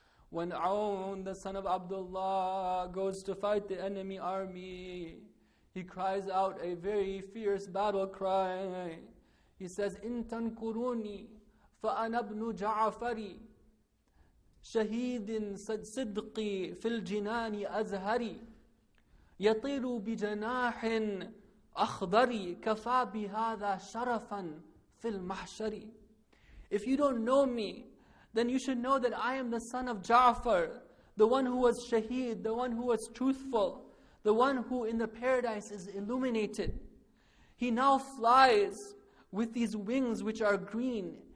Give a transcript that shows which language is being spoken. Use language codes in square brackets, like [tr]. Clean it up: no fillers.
[en] When Aun, the son of Abdullah, goes to fight the enemy army, he cries out a very fierce battle cry. He says, [ar] "In tankuruni, fa anabnu Ja'fari." شهيد صدقي في الجنان أزهري يطير بجناح أخضر كفى بهذا شرفا في المحشر. [en] If you don't know me, then you should know that I am the son of Ja'far, the one who was shaheed, the one who was truthful, the one who in the paradise is illuminated. He now flies with these wings which are green.